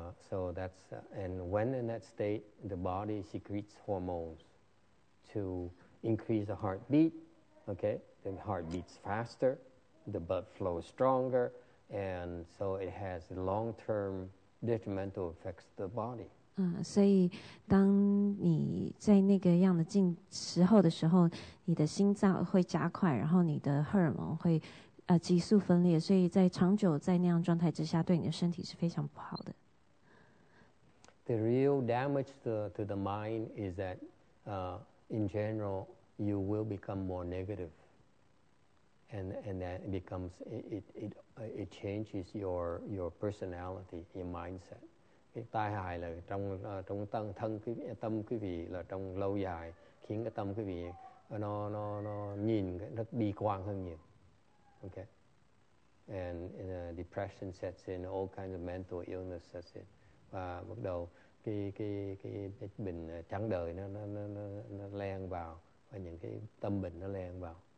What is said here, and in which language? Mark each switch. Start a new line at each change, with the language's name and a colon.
English: So that's and when in that state, the body secretes hormones to increase the heartbeat. Okay, the heart beats faster, the blood flows stronger, and so it has long-term detrimental effects to the body.
Chinese: 所以当你在那个样的进时候的时候，你的心脏会加快，然后你的荷尔蒙会急速分裂，所以在长久在那样状态之下，对你的身体是非常不好的。
English: The real damage to the mind is that, in general, you will become more negative, and that becomes it changes your personality, your mindset.
Vietnamese: cái tai hại là trong trong tâm thân cái tâm quý vị là trong lâu dài khiến cái tâm quý vị nó nhìn nó bi quan hơn nhiều. Okay.
English: And depression sets in, all kinds of mental illness sets in.
Vietnamese: Và bắt đầu cái bệnh trắng đời nó len vào và những cái tâm bệnh nó len vào.